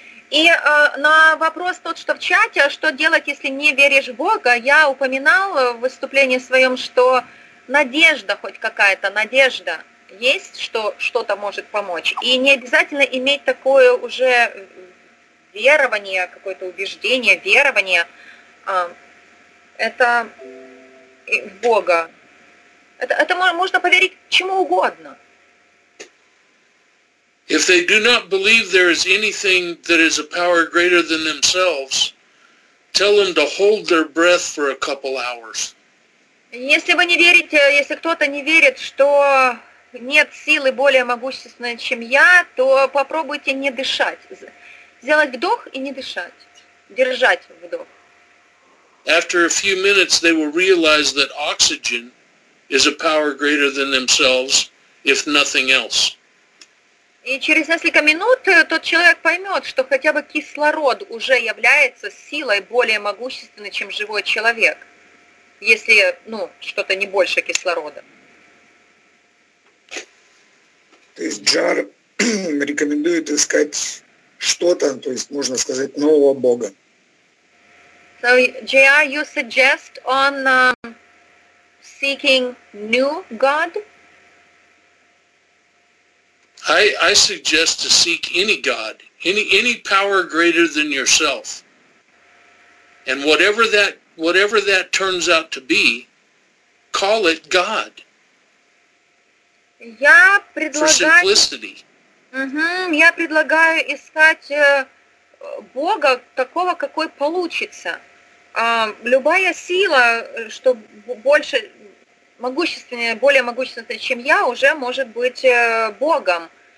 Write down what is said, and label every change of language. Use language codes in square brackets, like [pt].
[ru] И на вопрос тот, что в чате, что делать, если не веришь в Бога, я упоминал в выступлении своем, что надежда хоть какая-то, надежда есть, что что-то может помочь. И не обязательно иметь такое уже верование, какое-то убеждение, верование. Это в Бога. Это можно поверить чему угодно. [en] If they do not believe there is anything that is a power greater than themselves, tell them to hold their breath for a couple hours. [ru] Если вы не верите, если кто-то не верит, что нет силы более могущественной, чем я, то попробуйте не дышать. Сделать вдох и не дышать. Держать вдох. [en] After a few minutes, they will realize that oxygen is a power greater than themselves, if nothing else. [ru] И через несколько минут тот человек поймет, что хотя бы кислород уже является силой более могущественной, чем живой человек, если, ну, что-то не больше кислорода. То есть Джар рекомендует искать что-то, то есть можно сказать, нового Бога. [en] So, J.R., you suggest on seeking new God? I suggest to seek any God, any power greater than yourself. And whatever that turns out to be, call it God. [ru] Я предлагаю... [en] For simplicity. [ru] Я предлагаю искать Бога такого, какой получится. Любая сила, что больше могущественная, более могущественная, чем я, уже может быть Богом.